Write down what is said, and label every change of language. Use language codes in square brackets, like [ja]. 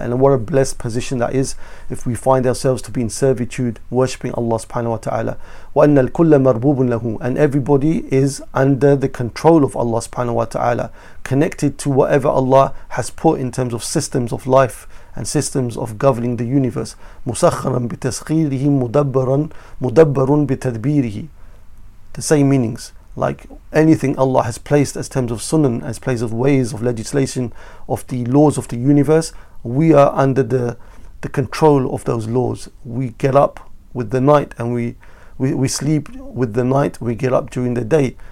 [en] And what a blessed position that is if we find ourselves to be in servitude, worshipping Allah subhanahu wa ta'ala. [ar] وَأَنَّ الْكُلَّ مَرْبُوبٌ لَهُ, [en] and everybody is under the control of Allah subhanahu wa ta'ala, connected to whatever Allah has put in terms of systems of life and systems of governing the universe. [ar] مُسَخَّرًا بِتَسْخِيرِهِ مُدَبَّرٌ بِتَدْبِيرِهِ, [en] the same meanings. Like anything Allah has placed as terms of sunan, as place of ways of legislation, of the laws of the universe, we are under the control of those laws. We get up with the night and we sleep with the night, we get up during the day.